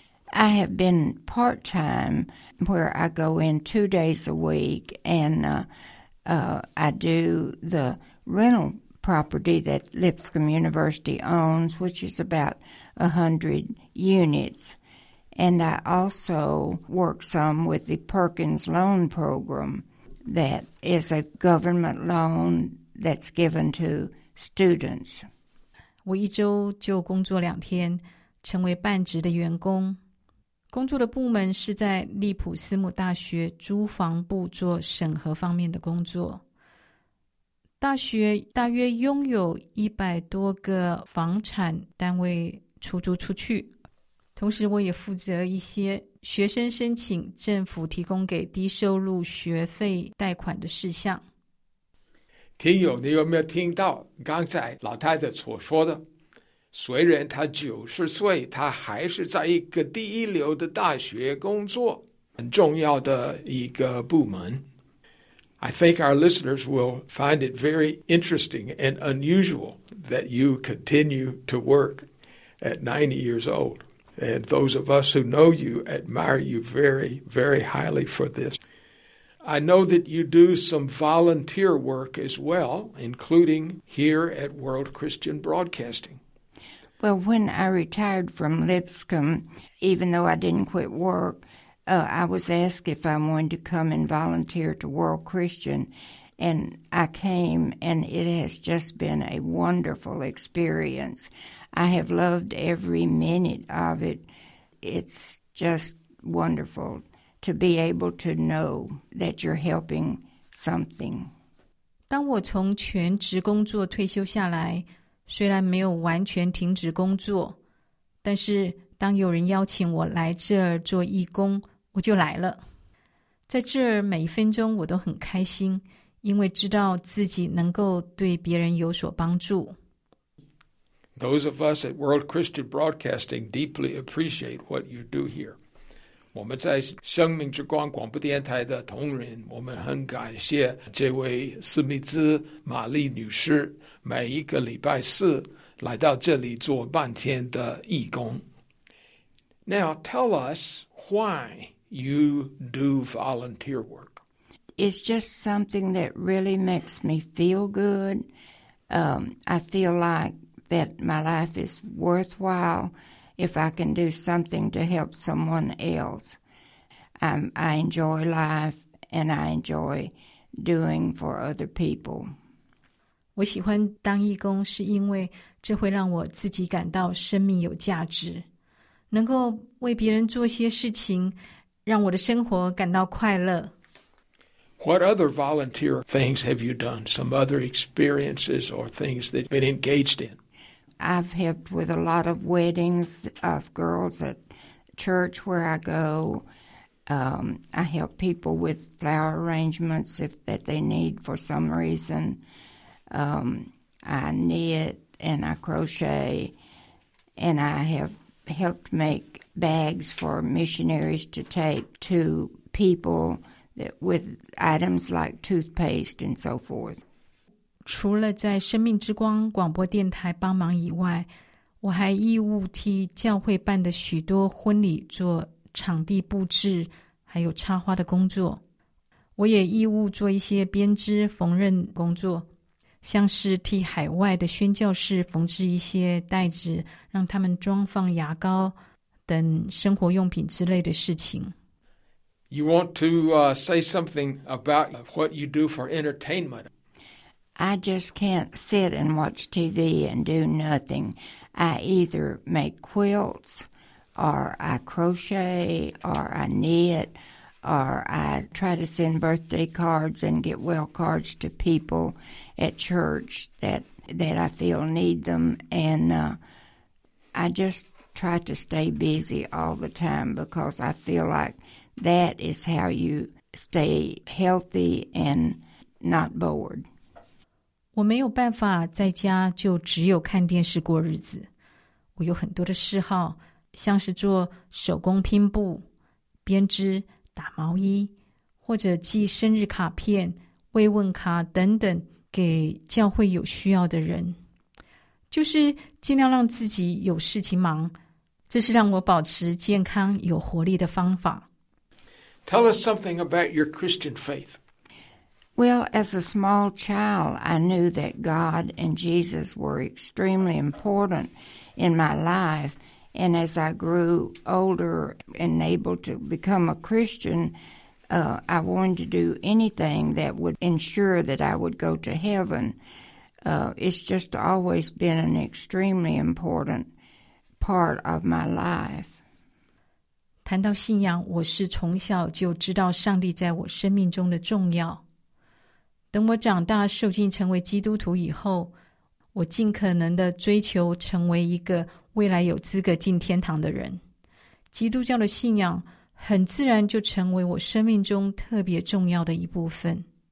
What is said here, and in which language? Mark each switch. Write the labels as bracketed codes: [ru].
[en] I have been part-time where I go in 2 days a week and I do the rental property that Lipscomb University owns, which is about 100 units. And I also work some with the Perkins Loan Program that is a government loan that's given to students. [zh] 我一周就工作2天，成为半职的员工。工作的部门是在利普斯姆大学租房部做审核方面的工作。大学大约拥有100多个房产单位出租出去，同时我也负责一些学生申请政府提供给低收入学费贷款的事项。听友，你有没有听到刚才老太太所说的？虽然她90岁，她还是在一个第一流的大学工作，很重要的一个部门。 [en] I think our listeners will find it very interesting and unusual that you continue to work at 90 years old. And those of us who know you admire you very, very highly for this. I know that you do some volunteer work as well, including here at World Christian Broadcasting. Well, when I retired from Lipscomb, even though I didn't quit work, I was asked if I wanted to come and volunteer to World Christian, and I came, and it has just been a wonderful experience. I have loved every minute of it. It's just wonderful to be able to know that you're helping something. [zh] 当我从全职工作退休下来，虽然没有完全停止工作，但是当有人邀请我来这儿做义工，我就来了。在这儿每一分钟我都很开心，因为知道自己能够对别人有所帮助。 [en] Those of us at World Christian Broadcasting deeply appreciate what you do here. [zh] 我们在生命之光广播电台的同仁，我们很感谢这位斯密兹玛丽女士每一个礼拜四来到这里做半天的义工。 [en] Now tell us why you do volunteer work. It's just something that really makes me feel good. I feel like that my life is worthwhile if I can do something to help someone else. I enjoy life and I enjoy doing for other people. [zh] 我喜欢当义工是因为这会让我自己感到生命有价值。能够为别人做些事情，让我的生活感到快乐。 [en] What other volunteer things have you done? Some other experiences or things that you've been engaged in? I've helped with a lot of weddings of girls at church where I go. I help people with flower arrangements that they need for some reason. I knit and I crochet, and I have helped make bags for missionaries to take to people that with items like toothpaste and so forth. [zh] 除了在生命之光广播电台帮忙以外，我还义务替教会办的许多婚礼做场地布置，还有插花的工作。我也义务做一些编织缝纫工作，像是替海外的宣教士缝制一些袋子，让他们装放牙膏等生活用品之类的事情。 [en] You want to say something about what you do for entertainment? I just can't sit and watch TV and do nothing. I either make quilts, or I crochet, or I knit, or I try to send birthday cards and get well cards to people at church that I feel need them. And I just try to stay busy all the time because I feel like that is how you stay healthy and not bored. [zh] 我没有办法在家就只有看电视过日子。我有很多的嗜好，像是做手工拼布、编织、打毛衣，或者寄生日卡片、慰问卡等等给教会有需要的人，就是尽量让自己有事情忙，这是让我保持健康有活力的方法。 [en] Tell us something about your Christian faith. Well, as a small child, I knew that God and Jesus were extremely important in my life. And as I grew older and able to become a Christian, I wanted to do anything that would ensure that I would go to heaven. It's just always been an extremely important part of my life. [zh] 谈到信仰，我是从小就知道上帝在我生命中的重要。等我长大受浸成为基督徒以后，我尽可能的追求成为一个未来有资格进天堂的人。基督教的信仰很自然就成为我生命中特别重要的一部分。